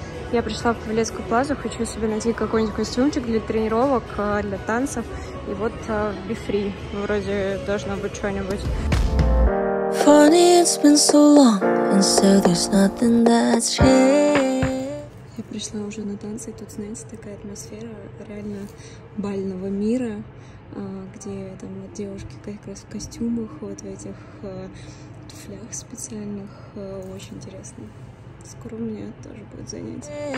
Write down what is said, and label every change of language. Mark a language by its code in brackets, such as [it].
[ru] Я пришла в Павелецкую плазу, хочу себе найти какой-нибудь костюмчик для тренировок, для танцев. И вот Бифри вроде должно быть что-нибудь. [en] Funny, it's been so long, and so there's nothing that's changed. [ru] Я пришла уже на танцы, и тут, знаете, такая атмосфера реально бального мира, где там вот девушки как раз в костюмах, вот в этих туфлях специальных, очень интересно. Скоро у меня тоже будет занятие.